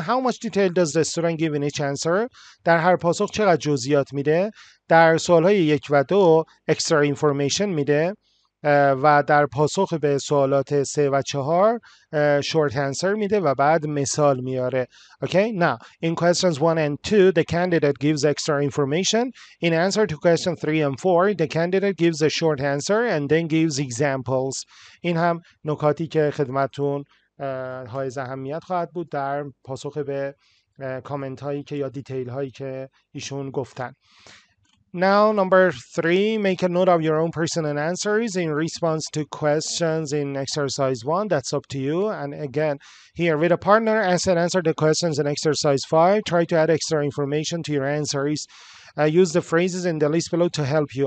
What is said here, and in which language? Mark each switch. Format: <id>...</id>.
<en>How much detail does restaurant give in each answer؟</en> <fa>در هر پاسخ چقدر جزئیات میده؟ در سوالهای یک و دو extra information میده و در پاسخ به سوالات سه و چهار short answer میده و بعد مثال میاره.</fa> <en>Okay, now in questions 1 and 2 the candidate gives extra information. In answer to question 3 and 4 the candidate gives a short answer and then gives examples.</en> <fa>این هم نکاتی که خدمتون های اهمیت خواهد بود در پاسخ به کامنت هایی که یا دیتیل هایی که ایشون گفتن.</fa> <en>Now number 3, make a note of your own person and answers in response to questions in exercise 1. That's up to you. And again, here with a partner, ask and answer the questions in exercise 5. Try to add extra information to your answers. Use the phrases in the list below to help you.</en>